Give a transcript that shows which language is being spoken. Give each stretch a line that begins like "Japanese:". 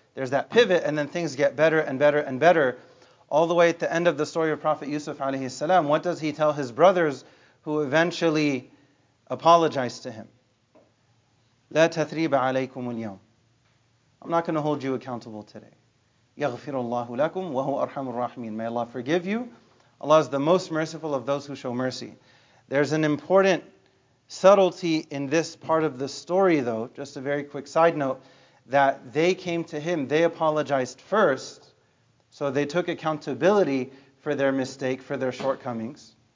English: There's that pivot, and then things get better and better and better, all the way at the end of the story of Prophet Yusuf alayhi salam. What does he tell his brothers who eventually apologize to him?
Arabic: لا تثريب عليكم اليوم.
English: I'm not going to hold you accountable today.
Arabic: يغفر الله لكم وهو أرحم الراحمين.
English: May Allah forgive you. Allah is the most merciful of those who show mercy. There's an important subtlety in this part of the story, though, just a very quick side note, that they came to him, they apologized first, so they took accountability for their mistake, for their shortcomings.